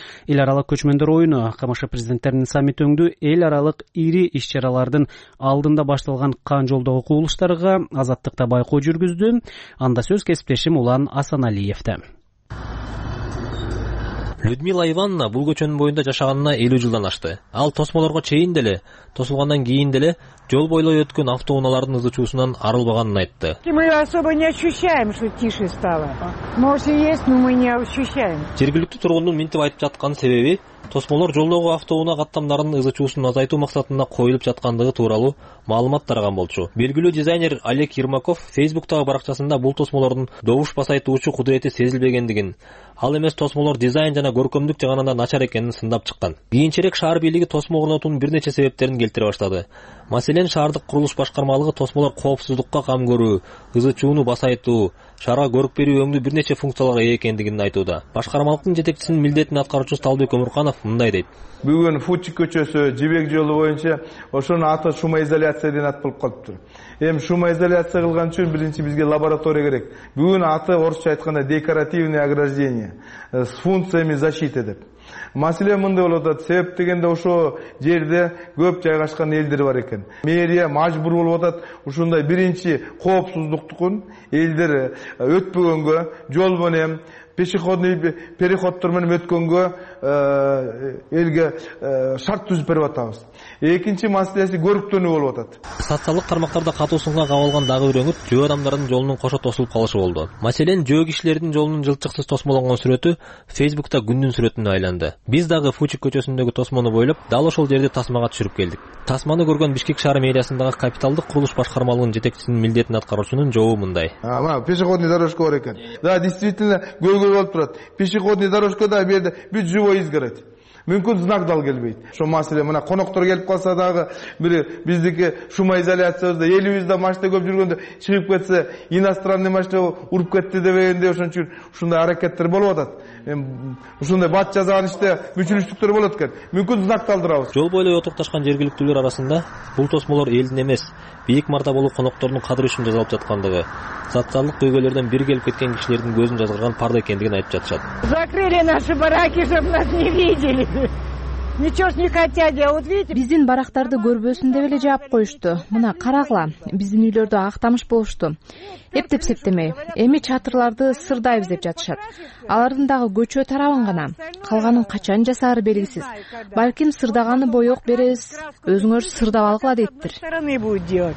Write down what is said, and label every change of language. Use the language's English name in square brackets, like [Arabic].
[Kyrgyz] Эл аралык көчмөндөр оюну КМШ президенттеринин саммит өңдү эл аралык ири иш чаралардын алдында башталган кан жолдо окуулуштарга Азаттыкта байкоо жүргүздү. Анда сөз кесиптешим Улан Асаналиевде. Людмила Ивановна бул көчөнүн боюнда жашаганына 50 жылдан ашты. Ал тосмолорго чейин деле, тосулгандан кийин деле жол бойлой өткөн автоунаалардын ызычуусунан арылбаганын айтты. [Russian] Мы особо не ощущаем, что тише стало. Может и есть, но мы не ощущаем. [Kyrgyz] Жергиликтүү тургундун минтип айтып жаткан себеби тосмолор жолдогу автоунаа каттамдарынын ызычуусун азайтуу максатында коюлуп жаткандыгы тууралуу маалымат тараган болчу. Белгилүү дизайнер Олег Ермаков Facebook-тагы баракчасында бул тосмолордун добуш басайтуучу кудурети сезилбегендигин, ал эмес тосмолор дизайн жана көркөмдүк жагынан да начар экенин сындап чыккан. Кийинчерээк шаар бийлиги тосмо орнотуунун бир нече себептерин келтире баштады. Маселен, шаардык курулуш башкармалыгы тосмолор коопсуздукка кам көрүү, ызычууну басайтуу, шаарга көрк берүү өңдүү бир нече функцияларга ээ экендигин айтууда. Башкармалыктын жетекчисинин милдетин аткаруучу Сталбек Өмүрканов мындай дейт. Бүгүн Фучик көчөсү Жибек жолу боюнча ошонун аты шумоизоляция деген ат болуп калыптыр. Эми шумоизоляция кылган үчүн биринчи бизге лаборатория керек. Бүгүн аты орусча айтканда [Russian] декоративное ограждение с функциями защиты [Kyrgyz] деп. Маселе мындай болуп атат. Себеп дегенде ошо жерде көп жайгашкан элдер бар экен. Мэрия мажбур болуп атат ушундай биринчи коопсуздуктукун элдер өтпөгөнгө жол менен пешеходный переходтор менен өткөнгө элге шарт түзүп берип атабыз. Экинчи маселеси көрүктөнүү болуп атат. Социалдык тармактарда катуу сынга кабылган дагы бир өңүт жөө адамдардын жолунун кошо тосулуп калышы болду. Маселен, жөө кишилердин жолунун жылчыксыз тосмолонгон сүрөтү Facebook'та күндүн сүрөтүнө айланды. Биз дагы Фучик көчөсүндөгү тосмону бойлоп, дал ошол жерде тасмага түшүрүп келдик. Тасманы көргөн Бишкек шаар мэриясындагы капиталдык курулуш башкармалыгынын жетекчисинин милдетин аткаруучунун жообу мындай. Ама [Russian] пешеходный дорожка [Kyrgyz] бар экен. [Russian] Да, действительно [Kyrgyz] көйгөй болуп турат. Пешеходный дорожкада берди бүт [Russian] живой изгородь. [Kyrgyz] Мүмкүн знак дал келбейт. Ошо маселе мына коноктор келип калса дагы бир биздики шумоизоляциябызда элибизде машина көп жүргөндө чыгып кетсе [Russian] иностранный [Kyrgyz] машина уруп кетти дегендей ошон үчүн ушундай аракеттер болуп атат. Ушундай бат жазган иште мүчүлүштүктөр болот экен. Мүмкүн знак талдырабыз. Жол бойлой отурукташкан жергиликтүүлөр арасында бул тосмолор элдин эмес бийик мартаболуу коноктордун кадыры үчүн жасалып жаткандыгы социалдык көйгөйлөрдөн бир келип кеткен кишилердин көзүн жазгырган парда экендигин айтып жатышат. [Russian] Закрыли наши бараки, чтобы нас не видели. Ничего ж не хотят делать, видите? [Kyrgyz] Биздин барактарды көрбөсүн деп эле жаап коюшту. Мына карагыла, биздин үйлөрдү актамыш болушту. Эптеп септемей, эми чатырларды сырдайбыз деп жатышат. Алардын дагы көчө тарабын гана, калганын качан жасары белгисиз. Балким сырдаганы боек беребиз, өзүңөр сырдап алгыла дейттир.